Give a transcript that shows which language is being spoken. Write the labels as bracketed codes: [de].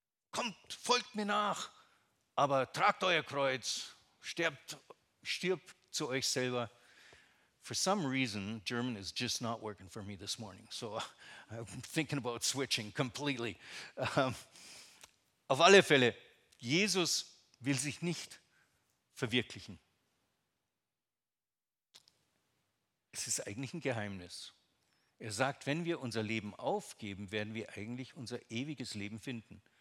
[de] Kommt, folgt mir nach, aber tragt euer Kreuz, stirbt zu euch selber. [en] For some reason, German is just not working for me this morning, so I'm thinking about switching completely. [de] Auf alle Fälle, Jesus will sich nicht verwirklichen. Es ist eigentlich ein Geheimnis. Er sagt, wenn wir unser Leben aufgeben, werden wir eigentlich unser ewiges Leben finden.